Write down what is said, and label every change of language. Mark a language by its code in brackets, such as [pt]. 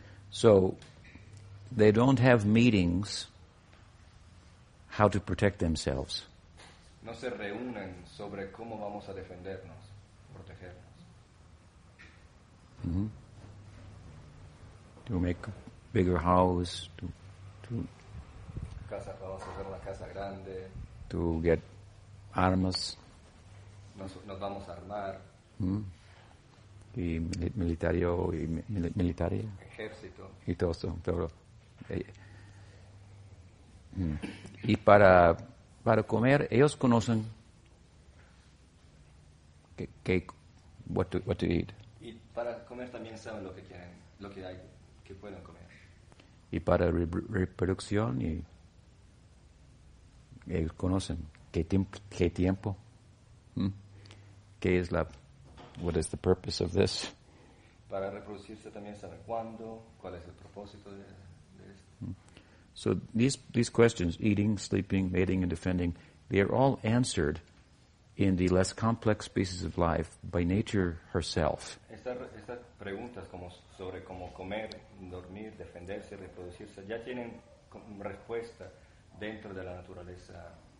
[en] So they don't have meetings how to protect themselves. [es] No se reúnen sobre cómo vamos a defendernos, protegernos. [en] To make a bigger house, to [es] casa, vamos a hacer una casa grande. [en] To get armas. [es] Nos vamos a armar. Y militario y militaria. Ejército. Y todo eso. Pero, y para comer, ellos conocen qué [en] what to eat. [es] Y para comer también saben lo que quieren, lo que hay, que pueden comer. Y para reproducción, y ellos conocen qué tiempo, qué es la, [en] what is the purpose of this. [es] Para reproducirse también saben cuándo, cuál es el propósito de. [en] So these questions, eating, sleeping, mating, and defending, they are all answered in the less complex species of life by nature herself. [es] Estas preguntas como sobre cómo comer, dormir, defenderse, reproducirse, ya tienen respuesta dentro de la naturaleza.